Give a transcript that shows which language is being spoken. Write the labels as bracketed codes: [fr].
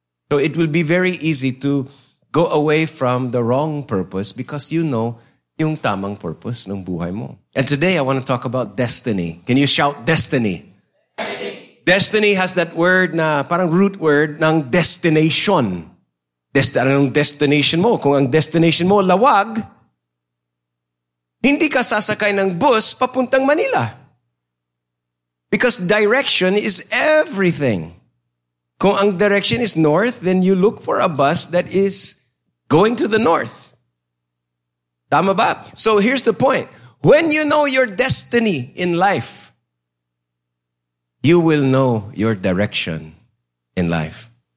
[en] So it will be very easy to go away from the wrong purpose because you know [tl] yung tamang purpose ng buhay mo. [en] And today, I want to talk about destiny. Can you shout destiny? Destiny has that word [tl] na parang [en] root word ng destination. [tl] Anong destination mo? Kung ang destination mo lawag, hindi ka sasakay ng bus papuntang Manila. [en] Because direction is everything. [tl] Kung ang [en] direction is north, then you look for a bus that is going to the north. [tl] Tama ba? [en] So here's the point. When you know your destiny in life, you will know your direction in life.